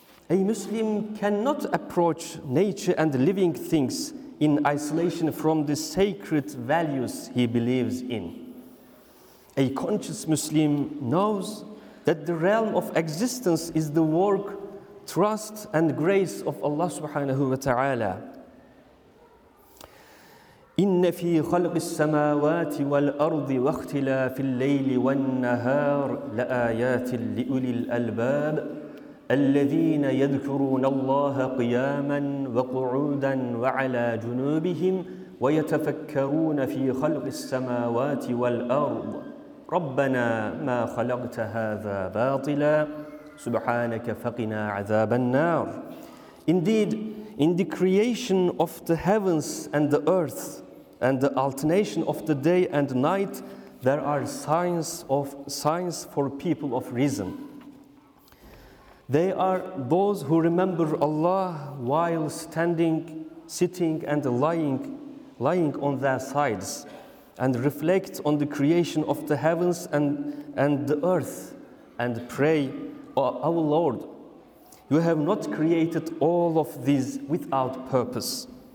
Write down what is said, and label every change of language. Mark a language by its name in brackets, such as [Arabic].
[English] A Muslim cannot approach nature and living things in isolation from the sacred values he believes in. A conscious Muslim knows that the realm of existence is the work, trust, and grace of Allah subhanahu wa ta'ala. [Arabic] إِنَّ فِي خَلْقِ السَّمَاوَاتِ وَالْأَرْضِ وَاخْتِلَافِ اللَّيْلِ وَالنَّهَارِ لَآيَاتٍ لِأُولِي الْأَلْبَابِ الذين يذكرون الله قياما وقعودا وعلى جنوبهم ويتفكرون في خلق السماوات والأرض ربنا ما خلقت هذا باطلا سبحانك فقنا عذاب النار. [English] Indeed, in the creation of the heavens and the earth and the alternation of the day and night, there are signs for people of reason. They are those who remember Allah while standing, sitting, and lying on their sides, and reflect on the creation of the heavens and the earth, and pray, "Our Lord, you have not created all of these without purpose.